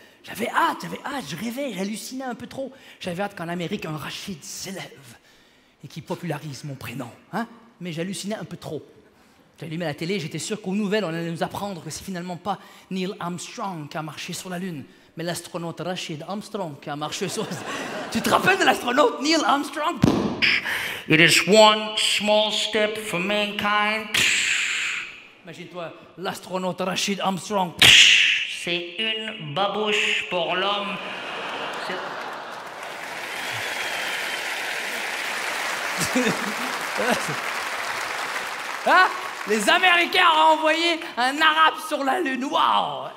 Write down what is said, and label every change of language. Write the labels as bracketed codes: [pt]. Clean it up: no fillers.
[fr] J'avais hâte, je rêvais, j'hallucinais un peu trop. J'avais hâte qu'en Amérique, un Rachid s'élève et qu'il popularise mon prénom, hein? Mais j'hallucinais un peu trop. J'allumais la télé, j'étais sûr qu'aux nouvelles, on allait nous apprendre que c'est finalement pas Neil Armstrong qui a marché sur la Lune, mais l'astronaute Rachid Armstrong qui a marché sur... Tu te rappelles de l'astronaute Neil Armstrong? [en] It is one small step for mankind. [fr] Imagine-toi, l'astronaute Rachid Armstrong. C'est une babouche pour l'homme. Ah, les Américains ont envoyé un arabe sur la Lune. Waouh!